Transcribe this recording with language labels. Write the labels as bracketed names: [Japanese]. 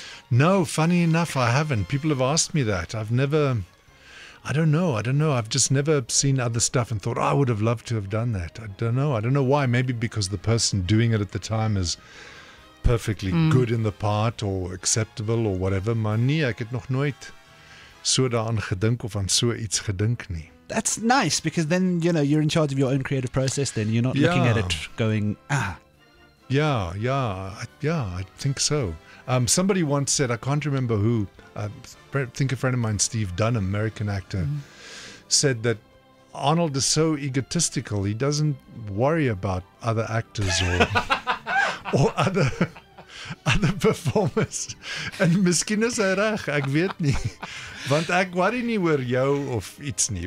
[English] No, funny enough, I haven't. People have asked me that. I don't know. I've just never seen other stuff and thought, oh, I would have loved to have done that. I don't know. I don't know why. Maybe because the person doing it at the time is perfectly good in the part or acceptable or whatever. [Afrikaans] Maar nee, ek het nog nooit so daaraan gedink of aan so iets gedink nie. [English] That's nice, because then, you know, you're in charge of your own creative process then. You're not looking at it going, ah. Yeah, I think so. Somebody once said, I can't remember who, I think a friend of mine, Steve Dunn, American actor, said that Arnold is so egotistical, he doesn't worry about other actors or or other performers. [Afrikaans] And miskien is hy reg, ek weet nie. Want ek worry nie oor jou of iets nie.